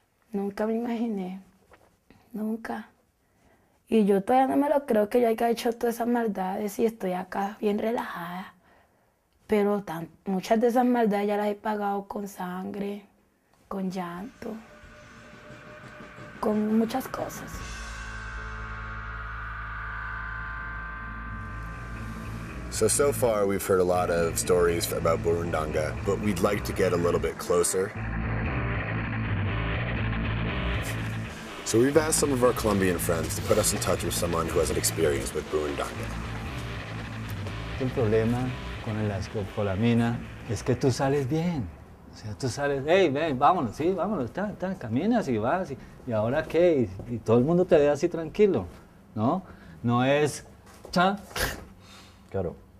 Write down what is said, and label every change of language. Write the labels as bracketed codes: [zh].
[es] Nunca me imaginé, nunca. Y yo todavía no me lo creo que yo haya hecho todas esas maldades y estoy acá bien relajada. Pero muchas de esas maldades ya las he pagado con sangre, con llanto, con muchas cosas. [en] So far we've heard a lot of stories about Burundanga, but we'd like to get a little bit closer. So we've asked some of our Colombian friends to put us in touch with someone who has an experience with Burundanga. [es] ¿Qué problema? Con la escopolamina, es que tú sales bien. O sea, tú sales, hey, ven, vámonos, sí, vámonos, está, caminas y vas, y ahora qué, y todo el mundo te ve así tranquilo, ¿no? No es, cha. Claro.